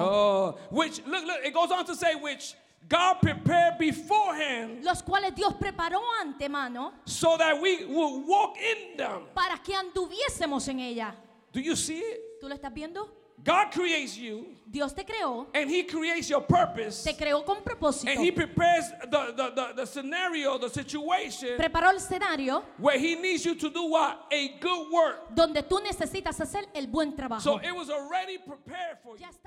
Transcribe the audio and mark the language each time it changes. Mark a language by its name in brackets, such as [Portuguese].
[English] Oh, which, look, it goes on to say, which God prepared beforehand, [Spanish] los cuales Dios preparó antemano, [English] so that we would walk in them, [Spanish] para que anduviésemos en ella. [English] Do you see it? [Spanish] ¿Tú lo estás viendo? [English] God creates you, [Spanish] Dios te creó, [English] and he creates your purpose, [Spanish] te creó con propósito, [English] and he prepares the scenario, the situation, [Spanish] preparó el escenario, [English] where he needs you to do what? A good work. [Spanish] Donde tú necesitas hacer el buen trabajo. [English] So it was already prepared for you.